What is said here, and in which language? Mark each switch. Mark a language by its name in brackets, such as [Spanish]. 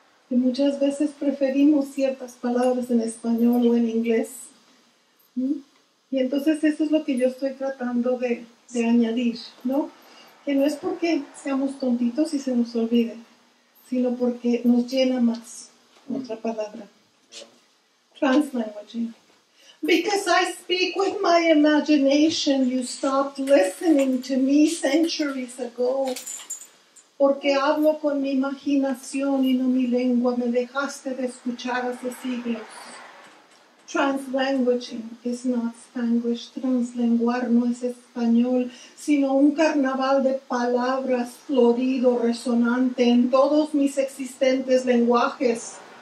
[Spanish] Y muchas veces preferimos ciertas palabras en español o en inglés. Y entonces eso es lo que yo estoy tratando de añadir, ¿no? Que no es porque seamos tontitos y se nos olvide, sino porque nos llena más otra palabra. [English] Translanguaging. Because I speak with my imagination, you stopped listening to me centuries ago. [Spanish] Porque hablo con mi imaginación y no mi lengua, me dejaste de escuchar hace siglos. [English] Translanguaging is not Spanglish. [Spanish] Translenguar no es español, sino un carnaval de palabras florido, resonante en todos mis existentes lenguajes.